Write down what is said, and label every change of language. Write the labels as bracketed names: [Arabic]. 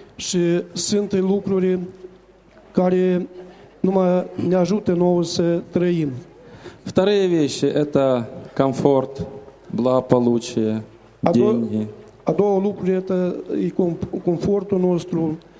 [Romanian] Și sunt lucruri care numai ne ajută nouă să trăim. [Russian] Вторые вещи – это комфорт, благополучие, деньги. [Romanian] A doua lucruri – [Russian] это и [Romanian] комфортul nostru,